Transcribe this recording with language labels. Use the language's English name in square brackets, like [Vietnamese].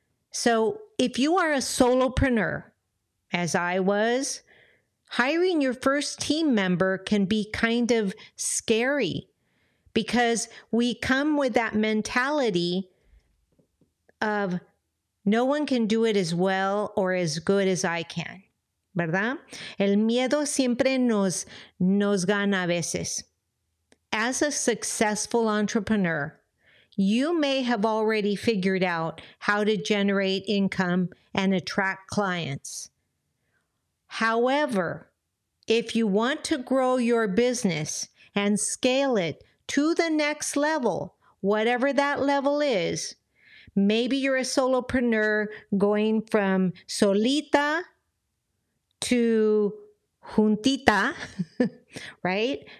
[English] So if you are a solopreneur, as I was, hiring your first team member can be kind of scary because we come with that mentality of no one can do it as well or as good as I can, ¿verdad? [Spanish] El miedo siempre nos gana a veces. [English] As a successful entrepreneur, you may have already figured out how to generate income and attract clients. However, if you want to grow your business and scale it to the next level, whatever that level is, maybe you're a solopreneur going from solita to juntita, right?